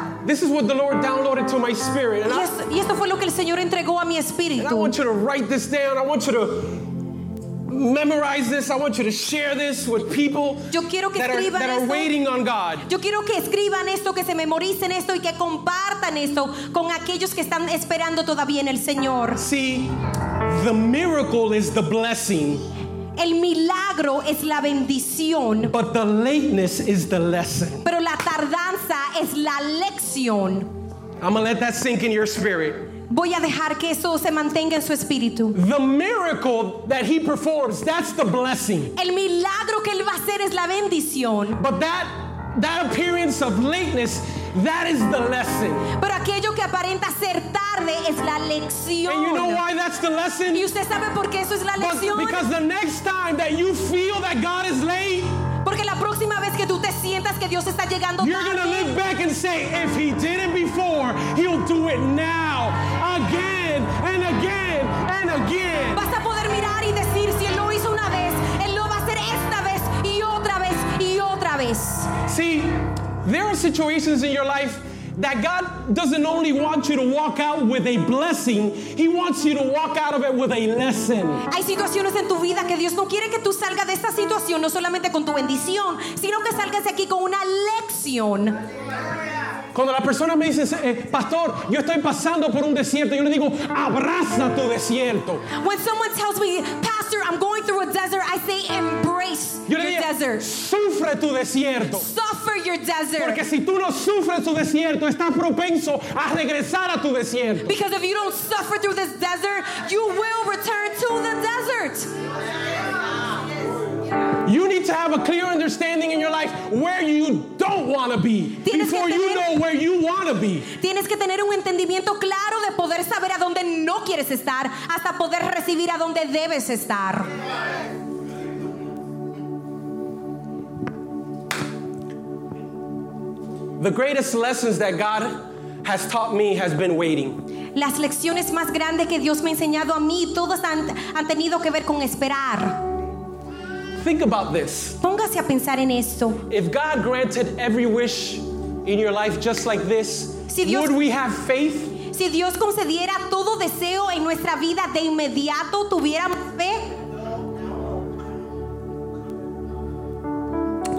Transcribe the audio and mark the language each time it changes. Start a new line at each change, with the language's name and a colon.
English: This is what the Lord downloaded to my spirit. And yes,
Spanish: y esto fue lo que el Señor entregó a mi espíritu.
English: And I want you to write this down. I want you to... memorize this. I want you to share this with people that are waiting on God.
Spanish: Yo quiero que escriban esto, que se memoricen esto y que compartan esto con aquellos que están esperando todavía en el Señor.
English: See, the miracle is the blessing.
Spanish: El milagro es la bendición.
English: But the lateness is the lesson.
Spanish: Pero la tardanza es la lección.
English: I'm gonna let that sink in your spirit.
Spanish: Voy a dejar que eso se mantenga en su espíritu.
English: The miracle that he performs, that's the blessing.
Spanish: El milagro que él va a hacer es la bendición.
English: But that appearance of lateness, that is the lesson.
Spanish: Pero aquello que aparenta ser tarde es la lección.
English: And you know why that's the lesson?
Spanish: ¿Y usted sabe por qué eso es la lección?
English: Because the next time that you feel that God is late,
Spanish: porque la próxima vez que tú te sientas que Dios está llegando tarde,
English: you're going to look back and say, if he did it before, he'll do it now. Again and again and again.
Spanish: Vas a poder mirar y decir, si él lo hizo una vez, él lo va a hacer esta vez y otra vez y otra vez.
English: See, there are situations in your life that God doesn't only want you to walk out with a blessing, He wants you to walk out of it with a lesson.
Spanish: Hay situaciones en tu vida que Dios no quiere que tú salgas de esa situación, no solamente con tu bendición, sino que salgas de aquí con una lección. Cuando la persona me dice, pastor, yo estoy pasando por un desierto, yo le digo, abraza tu desierto.
English: When someone tells me, pastor, I'm going through a desert, I say, embrace your desert.
Spanish: Sufre tu desierto.
English: Suffer your desert.
Spanish: Porque si tú no sufres tu desierto, estás propenso a regresar a tu desierto.
English: Because if you don't suffer through this desert, you will return to the desert. You need to have a clear understanding in your life where you don't want to be before you know where you want to be.
Spanish: Tienes que tener un entendimiento claro de poder saber a dónde no quieres estar hasta poder recibir a dónde debes estar.
English: The greatest lessons that God has taught me has been waiting.
Spanish: Las lecciones más grandes que Dios me ha enseñado a mí todas han tenido que ver con esperar.
English: Think about this.
Spanish: Póngase a pensar en esto.
English: If God granted every wish in your life just like this,
Spanish: si Dios,
English: would we have faith?
Spanish: Si Dios concediera todo deseo en nuestra vida de inmediato, ¿tuviéramos fe?